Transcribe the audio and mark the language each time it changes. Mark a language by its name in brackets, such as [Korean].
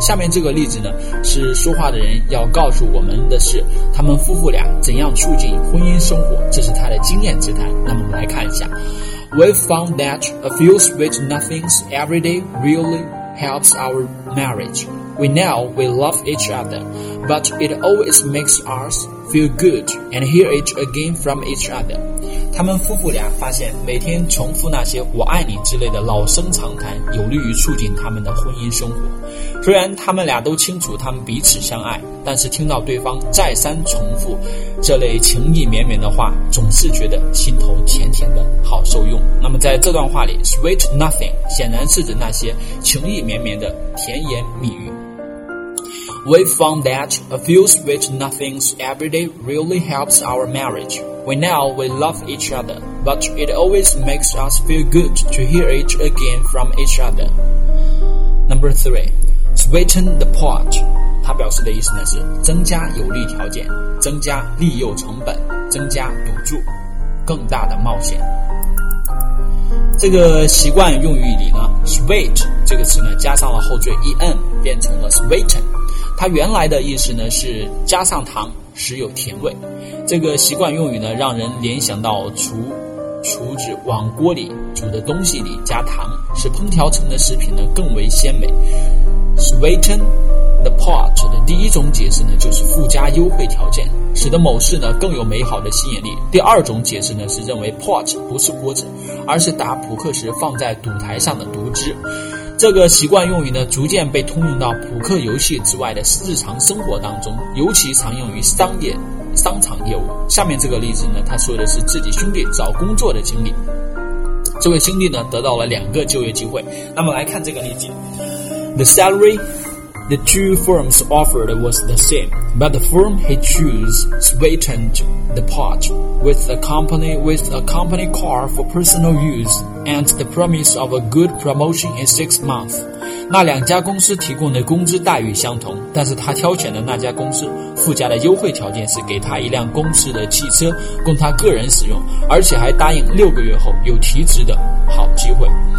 [Chinese] 下面这个例子呢是说话的人要告诉我们的是他们夫妇俩怎样促进婚姻生活，这是他的经验之谈。那么我们来看一下， [English] We've found that a few sweet nothings every day really helps our marriage. We know we love each other, but it always makes us feel good and hear it again from each other. [Chinese] 他们夫妇俩发现每天重复那些我爱你之类的老生常谈有利于促进他们的婚姻生活，虽然他们俩都清楚他们彼此相爱，但是听到对方再三重复这类情意绵绵的话，总是觉得心头甜甜的好受用。那么在这段话里 sweet nothing 显然是指那些情意绵绵的甜言蜜语。 [English] We found that a few sweet nothings every day really helps our marriage. We know we love each other, but it always makes us feel good to hear it again from each other. Number 3, sweeten the pot. [Chinese] 它表示的意思呢是增加有利条件，增加利诱成本，增加赌注，更大的冒险。这个习惯用语里呢 sweet 这个词呢加上了后缀 en 变成了 sweeten，它原来的意思呢是加上糖使有甜味。这个习惯用语呢让人联想到厨子往锅里煮的东西里加糖，使烹调成的食品呢更为鲜美。 Sweeten the pot 的第一种解释呢就是附加优惠条件，使得某事呢更有美好的吸引力。第二种解释呢是认为 pot 不是锅子，而是打扑克时放在赌台上的赌资。这个习惯用语呢逐渐被通用到扑克游戏之外的日常生活当中，尤其常用于商场业务。下面这个例子呢他说的是自己兄弟找工作的经历，这位兄弟呢得到了两个就业机会。那么来看这个例子， [English] The salary the two firms offered was the same, but the firm he chose sweetened the pot with a company car for personal use and the promise of a good promotion in 6 months. [Chinese] 那两家公司提供的工资待遇相同，但是他挑选的那家公司附加的优惠条件是给他一辆公司的汽车供他个人使用，而且还答应六个月后有提职的好机会。